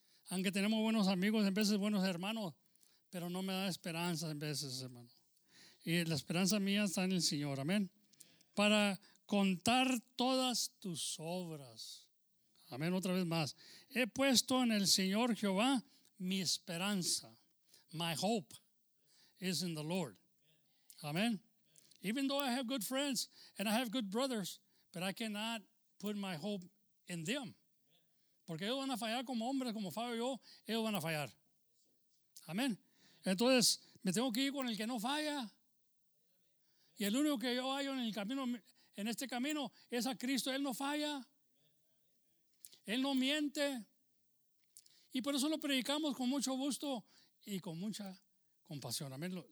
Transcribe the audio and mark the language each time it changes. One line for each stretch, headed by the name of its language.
Spanish: Aunque tenemos buenos amigos, en veces buenos hermanos, pero no me da esperanza en veces, hermano. Y la esperanza mía está en el Señor, amén. Para contar todas tus obras. Amén, otra vez más. He puesto en el Señor Jehová mi esperanza.
English: My hope is in the Lord. Amén. Even though I have good friends and I have good brothers, but I cannot put my hope in them.
Spanish: Porque ellos van a fallar como hombres, como fallo yo, ellos van a fallar. Amén. Entonces, me tengo que ir con el que no falla. Y el único que yo hallo en el camino, en este camino, es a Cristo. Él no falla. Él no miente. Y por eso lo predicamos con mucho gusto y con mucha compasión. Amén.